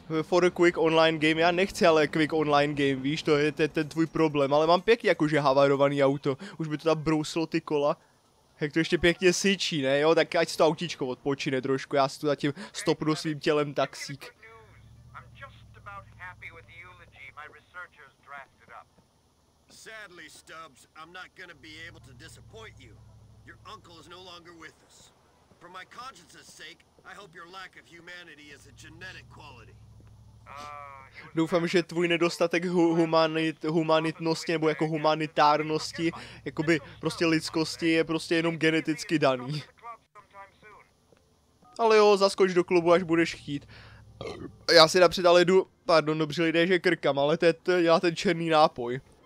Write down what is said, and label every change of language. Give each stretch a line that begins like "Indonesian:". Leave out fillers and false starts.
English: For a quick online game,
Czech: já nechci ale
English: quick online game,
Czech: víš, to je ten tvůj problém, ale mám pěkně jakože havarovaný auto, už by to tam brousilo ty kola. Jak to ještě pěkně syčí, ne jo, tak ať si to autíčko odpočine trošku, já si tu zatím stopnu svým tělem taxík.
English: Sadly, Stubbs, I'm not gonna be able to disappoint you. Your uncle is no longer with us. For my conscience's sake, I hope your lack of humanity is a genetic quality.
Czech: Doufám, že tvůj nedostatek humanitnosti nebo jako humanitárnosti, jakoby prostě lidskosti, je prostě jenom geneticky daný. Ale jo, zaskoč do klubu, až budeš chtít. Já si napřed ale jdu, pardon, dobře lidé, že krkám, ale já ten černý nápoj.